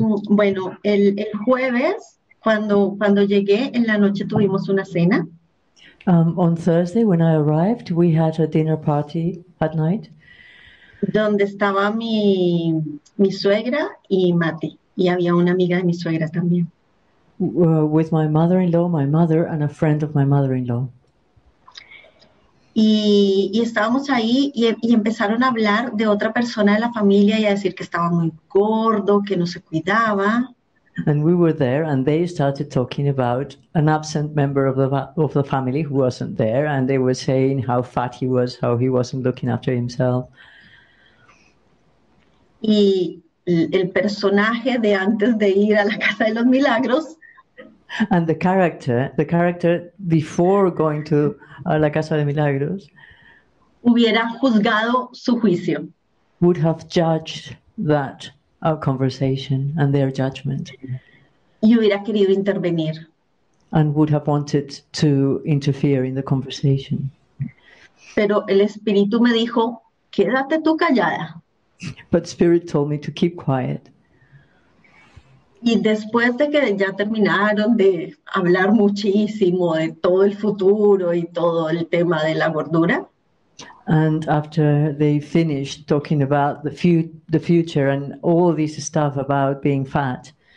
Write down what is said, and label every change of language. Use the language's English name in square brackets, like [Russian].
[Spanish] Bueno, el jueves, cuando llegué, en la noche tuvimos una cena. [English] On Thursday, when I arrived, we had a dinner party at night. [Spanish] Donde estaba mi suegra y Mati. Y había una amiga de mi suegra también. [English] With my mother-in-law, my mother, and a friend of my mother-in-law. [Spanish] Y estábamos ahí y empezaron a hablar de otra persona de la familia y a decir que estaba muy gordo, que no se cuidaba. [English] And we were there and they started talking about an absent member of the family who wasn't there, and they were saying how fat he was, how he wasn't looking after himself. [Spanish] Y el personaje de antes de ir a la casa de los milagros. [English] And the character before going to la casa de milagros [Spanish] hubiera juzgado su juicio. [English] Would have judged that our conversation and their judgment. [Spanish] Y hubiera querido intervenir. [English] And would have wanted to interfere in the conversation. [Spanish] Pero el espíritu me dijo, quédate tú callada. [English] But spirit told me to keep quiet. [Spanish] Y después de que ya terminaron de hablar muchísimo de todo el futuro y todo el tema de la gordura, [English] and after they finished talking about the future and all this stuff about being fat,